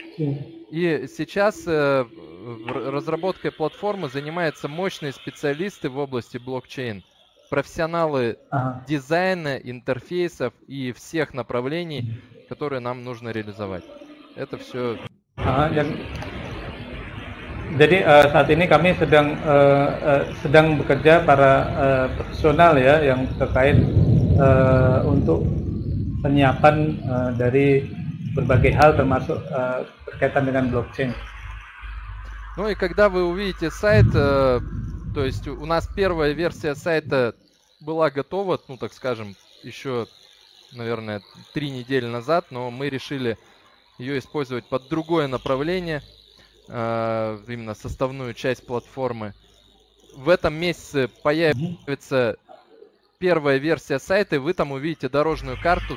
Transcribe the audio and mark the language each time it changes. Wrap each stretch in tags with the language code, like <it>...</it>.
<ru>И сейчас разработкой платформы занимаются мощные специалисты в области блокчейн. Профессионалы дизайна, интерфейсов и всех направлений, которые нам нужно реализовать. Это все...</ru> <id>Jadi saat ini kami sedang sedang bekerja para profesional ya yang terkait untuk penyiapan dari berbagai hal termasuk berkaitan dengan blockchain.</id> <ru>Ну и когда вы увидите сайт, то есть у нас первая версия сайта была готова, ну так скажем, еще, наверное, 3 недели назад, но мы решили ее использовать под другое направление. Именно составную часть платформы. В этом месяце появится первая версия сайта, и вы там увидите дорожную карту.</ru>